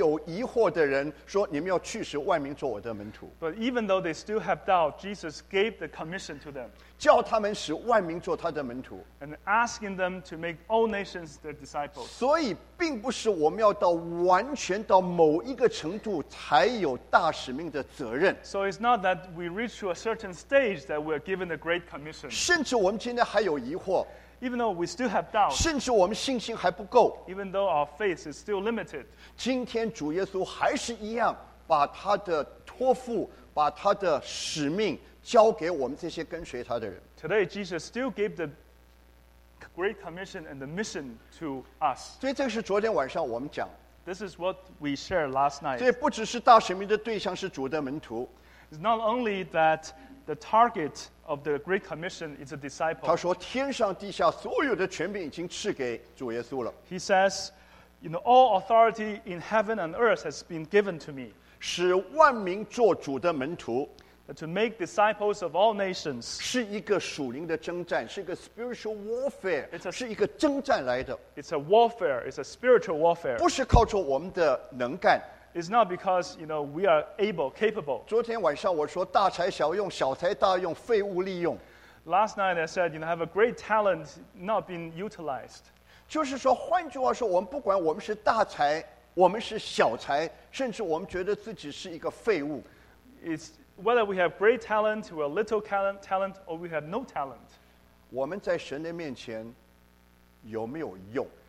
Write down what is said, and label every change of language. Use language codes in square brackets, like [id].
[zh] 但是耶稣基督对这些还有疑惑的人说，你们要去使万民做我的门徒。 [en] But even though they still have doubt, Jesus gave the commission to them. [zh] 叫他们使万民做他的门徒。 [en] And asking them to make all nations their disciples. [zh] 所以并不是我们要到完全到某一个程度才有大使命的责任。 [en] So it's not that we reach to a certain stage that we're given the Great Commission. [zh] 甚至我们今天还有疑惑。 [en] Even though we still have doubts, [zh] 甚至我们信心还不够, [en] even though our faith is still limited, [zh] 今天主耶稣还是一样把他的托付把他的使命交给我们这些跟随他的人。 [en] Today Jesus still gave the great commission and the mission to us. [zh] 所以这个是昨天晚上我们讲, [en] this is what we shared last night. [zh] 所以不只是大使命的对象是主的门徒, [en] it's not only that the target of the Great Commission is a disciple. [zh] 他说天上地下所有的权柄已经赐给主耶稣了。 [en] He says, you know, all authority in heaven and earth has been given to me. [zh] 使万民做主的门徒。 [en] To make disciples of all nations. [zh] 是一个属灵的征战, 是一个 [en] spiritual warfare, it's a, [zh] 是一个征战来的。 [en] It's a warfare, it's a spiritual warfare. [zh] 不是靠着我们的能干。 [en] It's not because, you know, we are able, capable. [zh] 昨天晚上我说, 大才小用, 小才大用, 废物利用。 [en] Last night I said, you know, I have a great talent not being utilized. [zh] 就是说, 换句话说, 我们不管我们是大才, 我们是小才, 甚至我们觉得自己是一个废物。 [en] It's whether we have great talent, we have little talent, or we have no talent. [zh] 我们在神的面前, 有没有用。